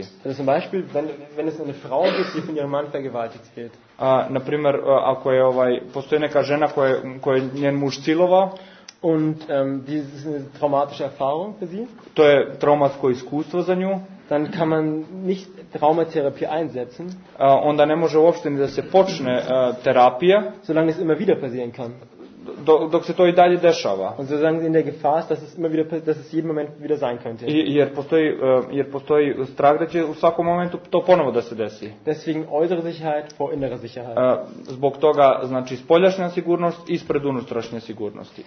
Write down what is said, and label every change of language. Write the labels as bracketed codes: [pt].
[de] Also zum Beispiel, wenn es eine Frau ist, die von ihrem Mann vergewaltigt wird. [sr] Naprimjer, ako je postoji neka žena koja je njen muž silovao. [de] Und das ist eine traumatische Erfahrung für sie. [sr] To je traumatsko iskustvo za nju. [de] Dann kann man nicht Traumatherapie einsetzen. [sr] Onda ne može uopšte ni da se počne terapija. [de] Solange es immer wieder passieren kann. [sr] Dok se to i dalje dešava. [de] Und solange sie in der Gefahr ist, dass es jeden Moment wieder sein könnte. [sr] Jer postoji strah da će u svakom momentu to ponovo da se desi. [de] Deswegen äußere Sicherheit vor innere Sicherheit. [sr] Zbog toga, znači, spoljašnja sigurnost ispred unutrašnje sigurnosti.